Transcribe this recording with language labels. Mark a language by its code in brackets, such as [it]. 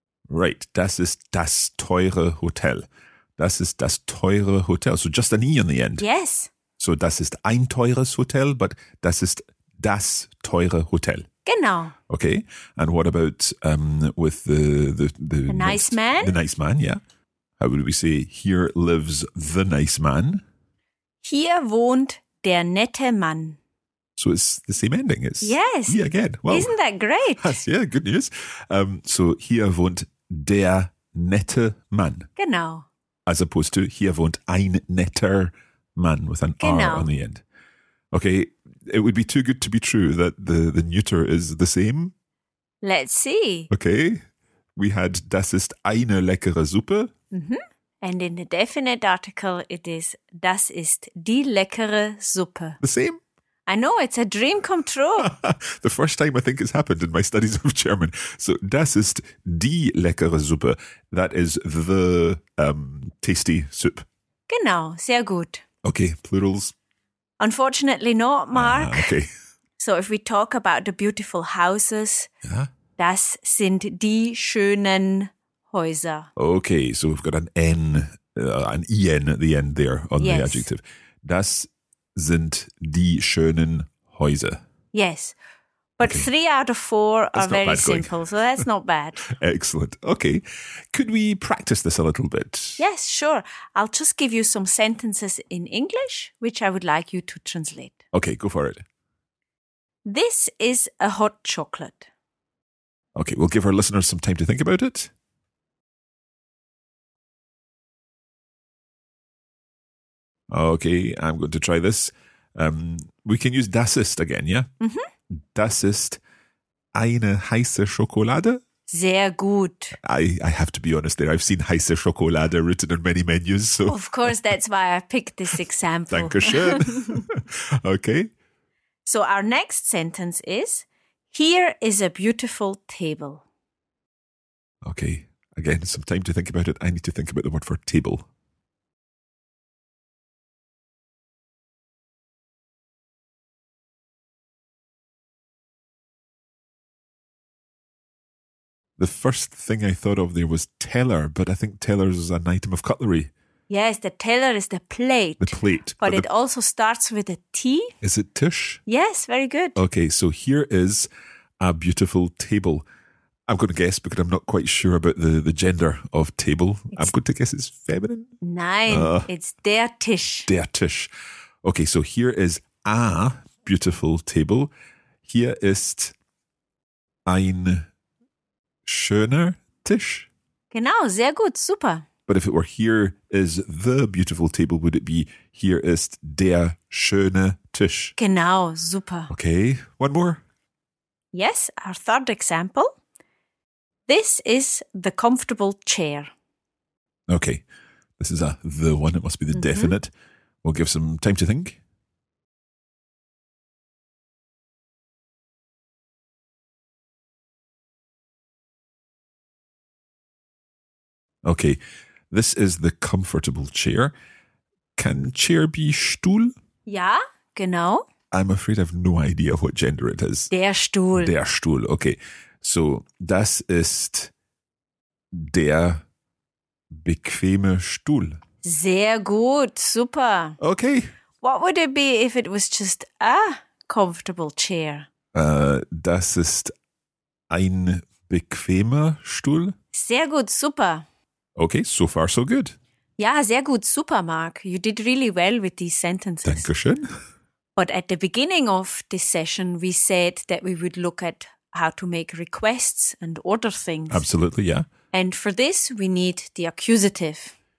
[de] Right, das ist das teure Hotel. Das ist das teure Hotel. [en] So just an E on the end. Yes. [de] So das ist ein teures Hotel, but das ist das teure Hotel. Genau. [en] Okay, and what about with the nice man? The nice man, yeah. How would we say, here lives the nice man? [de] Hier wohnt der nette Mann. [en] So it's the same ending. It's yes. E again. Well, isn't that great? Yeah, good news. [de] So hier wohnt der nette Mann. Genau. [en] As opposed to [de] hier wohnt ein netter Mann [en] with an R on the end. Okay, it would be too good to be true that the neuter is the same. Let's see. Okay, we had [de] das ist eine leckere Suppe. [en] Mm-hmm. And in the definite article, it is [de] das ist die leckere Suppe. [en] The same? I know, it's a dream come true. The first time I think it's happened in my studies of German. [de] So das ist die leckere Suppe. [en] That is the tasty soup. [de] Genau, sehr gut. [en] Okay, plurals. Unfortunately not, Mark. Okay. So if we talk about the beautiful houses, [de] das sind die schönen Häuser. [en] Okay, so we've got an EN at the end there on the adjective. [de] Das sind die schönen Häuser. [en] Yes. But three out of four are very simple, so that's not bad. Excellent. Okay. Could we practice this a little bit? Yes, sure. I'll just give you some sentences in English, which I would like you to translate. Okay, go for it. This is a hot chocolate. Okay, we'll give our listeners some time to think about it. Okay, I'm going to try this. We can use das ist again, yeah? Mm-hmm. [de] Das ist eine heiße Schokolade. Sehr gut. [en] I have to be honest there. I've seen heiße Schokolade written on many menus. So. Of course, that's why I picked this example. [de] Dankeschön. Okay. [en] So our next sentence is, here is a beautiful table. Okay. Again, some time to think about it. I need to think about the word for table. The first thing I thought of there was teller, but I think teller is an item of cutlery. Yes, the teller is the plate. The plate. But it also starts with a T. Is it tisch? Yes, very good. Okay, so here is a beautiful table. I'm going to guess, because I'm not quite sure about the gender of table. I'm going to guess it's feminine. [de] Nein, it's der Tisch. Der Tisch. [en] Okay, so here is a beautiful table. [de] Hier ist ein schöner Tisch. Genau, sehr gut, super. [en] But if it were here is the beautiful table, would it be [de] hier ist der schöne Tisch? Genau, super. [en] Okay, one more. Yes, our third example. This is the comfortable chair. Okay, this is a the one, it must be the definite. We'll give some time to think. Okay, this is the comfortable chair. Can chair be Stuhl? Ja, genau. I'm afraid I have no idea what gender it is. [de] Der Stuhl. Der Stuhl, okay. So, das ist der bequeme Stuhl. Sehr gut, super. [en] Okay. What would it be if it was just a comfortable chair? [de] Das ist ein bequemer Stuhl. Sehr gut, super. [en] Okay, so far so good. [de] Ja, sehr gut, super, Mark. [en] You did really well with these sentences. [de] Dankeschön. [en] But at the beginning of this session, we said that we would look at how to make requests and order things. Absolutely, yeah. And for this, we need the accusative.